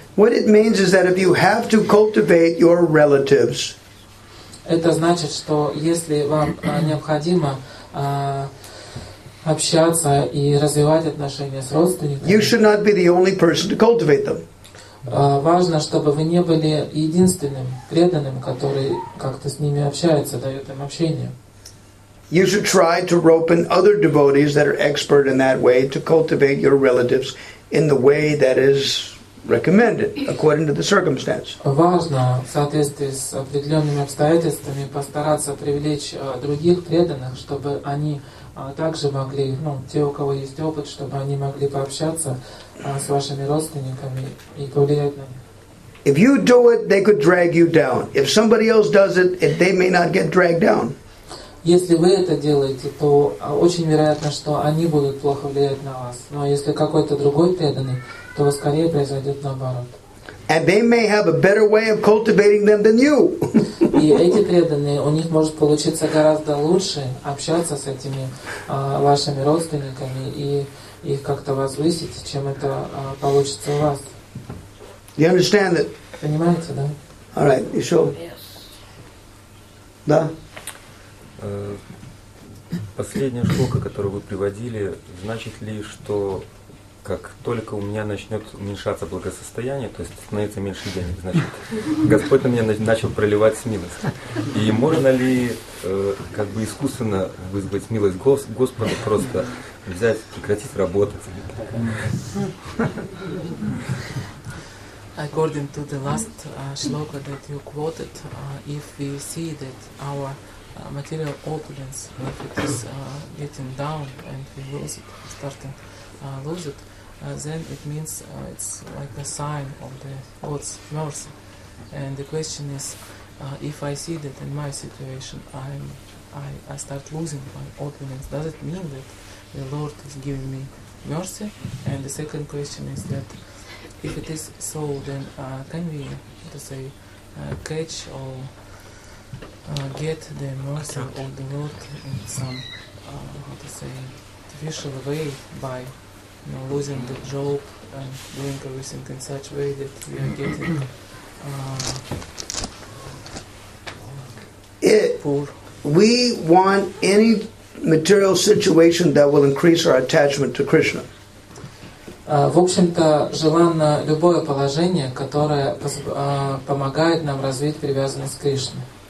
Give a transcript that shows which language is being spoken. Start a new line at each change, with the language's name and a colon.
English: What it means is that if you have to cultivate your relatives.
Russian: Это значит, что если вам необходимо общаться и развивать отношения с родственниками.
English: You should not be the only person to cultivate them.
Russian: Важно, чтобы вы не были единственным преданным, который как-то с ними общается, дает им общение.
English: You should try to rope in other devotees that are expert in that way to cultivate your relatives in the way that is recommended according to the circumstance.
Russian: Важно в соответствии с определенными обстоятельствами постараться привлечь других преданных, чтобы они также могли, ну, те, у кого есть опыт, чтобы они могли пообщаться с вашими родственниками и повлиять на них.
English: If you do it, they could drag you down. If somebody else does it, they may not get dragged down.
Russian: Если вы это делаете, то очень вероятно, что они будут плохо влиять на вас. Но если какой-то другой преданный, то скорее произойдет наоборот.
English: And they may have a better way of cultivating them than you.
Russian: И эти преданные, у них может получиться гораздо лучше общаться с этими вашими родственниками и их как-то возвысить, чем это получится у вас.
English: You understand it?
Russian: Понимаете, да?
English: All right, you sure? Yes.
Russian: Да? Последняя штука, которую вы приводили, значит ли, что как только у меня начнет уменьшаться благосостояние, то есть становится меньше денег, значит, Господь на меня начал проливать милость. И можно ли как бы искусственно вызвать милость Господа, просто взять, прекратить работать?
English: According to the last shloka that you quoted, if we see that our material opulence, if it is getting down and we lose it, starting to lose it, then it means it's like a sign of the God's mercy. And the question is, if I see that in my situation I start losing my opulence, does it mean that the Lord is giving me mercy? And the second question is that if it is so, then can we, to say, catch or get the mercy of the Lord in some, artificial way by, you know, losing the job and doing everything in such way that we are getting poor? We want any material situation that will increase our attachment to Krishna.
Russian: В общем-то, желанно любое положение, которое помогает нам развить привязанность к Кришне.